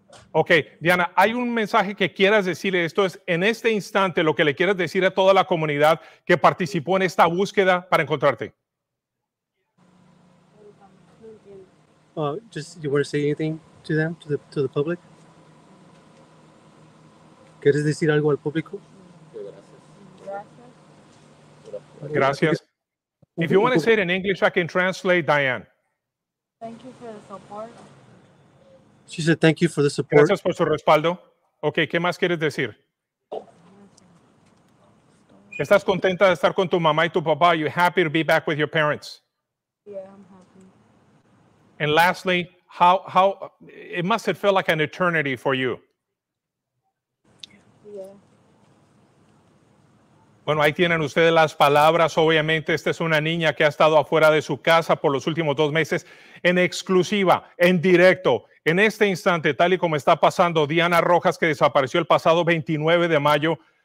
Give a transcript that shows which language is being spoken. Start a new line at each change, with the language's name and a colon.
Spanish: Ok, Diana, ¿hay un mensaje que quieras decirle? Esto es, en este instante, lo que le quieras decir a toda la comunidad que participó en esta búsqueda para encontrarte.
English: Just, you want to say anything to them, to the public?
Spanish: ¿Quieres decir algo al público? Gracias.
English: If you want to say it in English, I can translate, Diane. Thank you for the support. She said, thank you for the support.
Spanish: Gracias por su respaldo. Ok, ¿qué más quieres decir? ¿Estás contenta de estar con tu mamá y tu papá?
English: Are you happy to be back with your parents? Yeah, I'm happy. And lastly, how it must have felt like an eternity for you. Yeah.
Spanish: Bueno, ahí tienen ustedes las palabras. Obviamente, esta es una niña que ha estado afuera de su casa por los últimos 2 meses en exclusiva, en directo. En este instante, tal y como está pasando, Diana Rojas, que desapareció el pasado 29 de mayo,